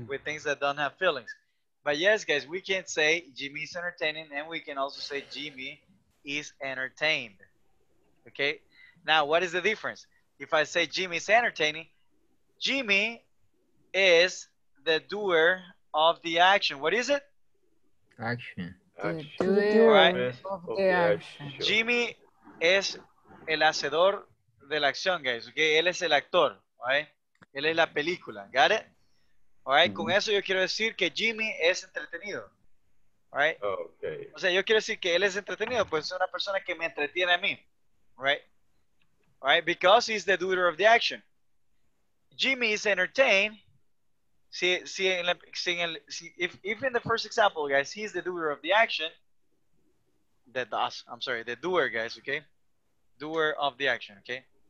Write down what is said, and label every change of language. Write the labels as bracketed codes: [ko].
[en] With things that don't have feelings. But yes, guys, we can say Jimmy is entertaining, and we can also say Jimmy is entertained. Okay? Now, what is the difference? If I say Jimmy is entertaining, Jimmy is the doer of the action. What is it? Action. The doer of the action. Jimmy is [es] el hacedor de la acción, guys. Okay? Él es el actor. Right? Él es la película. [en] Got it? Alright, mm-hmm. [es] Con eso yo quiero decir que Jimmy es entretenido. [en] Alright? Okay. [es] O sea, yo quiero decir que él es entretenido, pues es una persona que me entretiene a mí. [en] Right? Alright, because he's the doer of the action. Jimmy is entertained. If in the first example, guys, he's the doer of the action. The doer, guys, okay? Doer of the action, okay?